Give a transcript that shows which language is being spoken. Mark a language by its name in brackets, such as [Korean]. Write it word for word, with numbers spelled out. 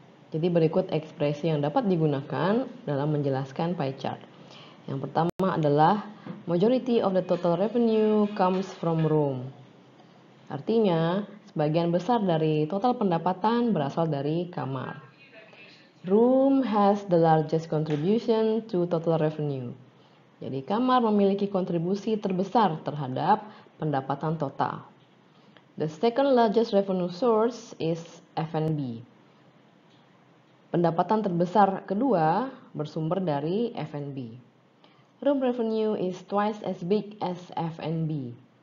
[Indonesian] Jadi berikut ekspresi yang dapat digunakan dalam menjelaskan pie chart. Yang pertama adalah [English] majority of the total revenue comes from room. [Indonesian] Artinya, sebagian besar dari total pendapatan berasal dari kamar. [English] Room has the largest contribution to total revenue. [Indonesian] Jadi kamar memiliki kontribusi terbesar terhadap pendapatan total. [English] The second largest revenue source is F and B. [Indonesian] Pendapatan terbesar kedua bersumber dari F and B. [English] Room revenue is twice as big as F and B.